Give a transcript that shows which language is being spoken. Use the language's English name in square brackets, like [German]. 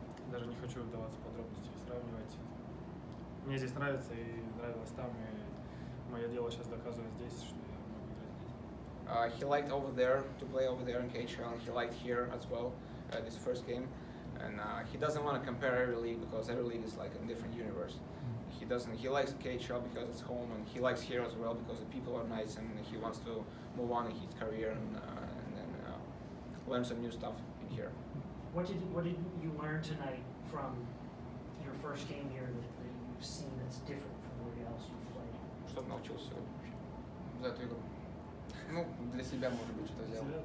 [Russian] Даже не хочу вдаваться в подробности и сравнивать. Мне здесь нравится и нравилось там, и мое дело сейчас доказывает здесь, что я могу играть здесь. [English] He liked over there to play over there in KHL. He liked here as well, this first game. And he doesn't want to compare every league because every league is like a different universe. He likes KHL because it's home, and he likes here as well because the people are nice, and he wants to move on in his career and then learn some new stuff in here. What did you learn tonight from your first game here that you've seen that's different from where else you've played? [Russian] Что научился вообще за эту игру? Ну, для себя, может быть, что-то взял.